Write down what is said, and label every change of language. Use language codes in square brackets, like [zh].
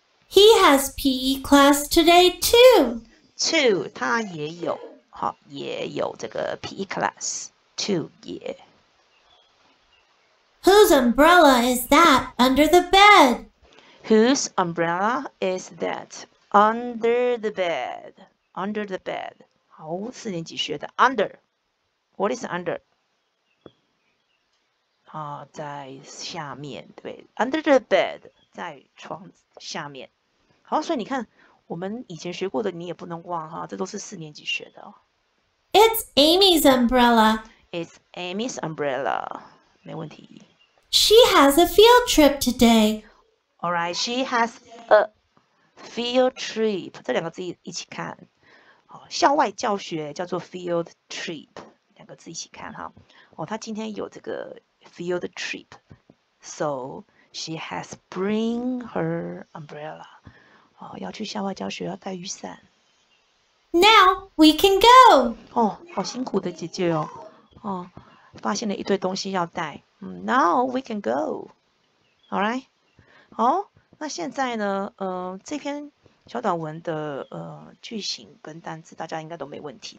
[en] He has PE class today too. [zh] Too， 他也有，好，也有这个 PE class. Too， 也。 [en] Whose umbrella is that under the bed? Whose umbrella is that? Under the bed, under the bed. [zh] 好，四年级学的 [en] under. What is under? [zh] 在下面，对 ， [en] under the bed， [zh] 在床下面。好，所以你看，我们以前学过的你也不能忘哈，这都是四年级学的。 [en] It's Amy's umbrella. It's Amy's umbrella. [zh] 没问题。 [en] She has a field trip today. All right, she has a. [zh] Field trip 这两个字一起看，校外教学叫做 field trip， 两个字一起看哈。哦，他今天有这个 field trip， [en] so she has bring her umbrella。 [zh] 哦，要去校外教学要带雨伞。 [en] Now we can go。 [zh] 哦，好辛苦的姐姐哦。哦，发现了一堆东西要带。 [en] Now we can go。 All right。 [zh] 哦。那现在呢？这篇小短文的句型跟单字大家应该都没问题。